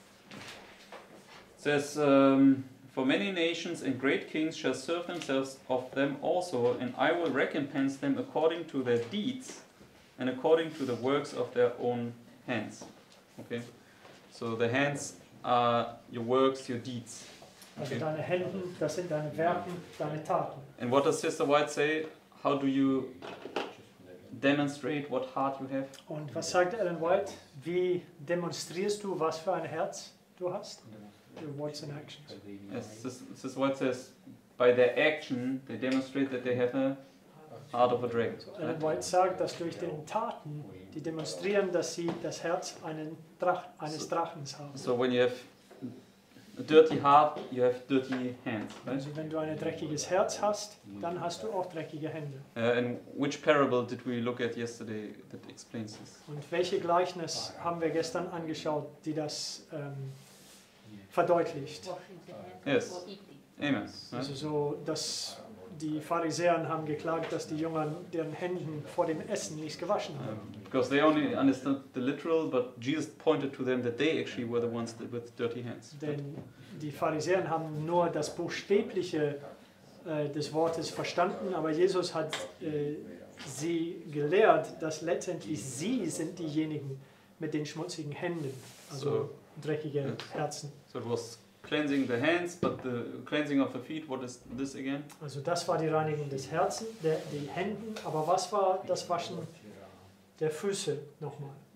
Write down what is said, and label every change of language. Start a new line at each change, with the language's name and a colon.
English: It says, for many nations and great kings shall serve themselves of them also, and I will recompense them according to their deeds and according to the works of their own hands. Okay? So the hands are your works, your deeds.
German: Also deine Hände, das sind deine Werke, deine Taten.
English: And what does Sister White say? How do you demonstrate what heart you have?
German: Und was sagt Ellen White? Wie demonstrierst du, was für ein Herz du hast?
English: Your words and actions. Yes, Sister White says, by their action, they demonstrate that they have a heart of a dragon. So
German: Ellen White sagt, dass durch den Taten, die demonstrieren, dass sie das Herz eines Drachens haben.
English: So when you have a dirty heart, you have dirty hands, right?
German: Also wenn du ein dreckiges Herz hast, dann hast du auch dreckige Hände.
English: And which parable did we look at yesterday that explains this?
German: Und welche Gleichnis haben wir gestern angeschaut, die das verdeutlicht?
English: Yes. Amen. Right?
German: Also so, dass die Pharisäern haben geklagt, dass die Jünger deren Händen vor dem Essen nicht gewaschen haben.
English: Because they only understood the literal, but Jesus pointed to them that they actually were the ones that with dirty hands.
German: Denn die Pharisäer haben nur das Buchstäbliche des Wortes verstanden, aber Jesus hat sie gelehrt, dass letztendlich sie sind diejenigen mit den schmutzigen Händen, also dreckigen Herzen.
English: So it was cleansing the hands, but the cleansing of the feet, what is this again?
German: Also das war die Reinigung des Herzens, die Händen, aber was war das Waschen der Füße nochmal?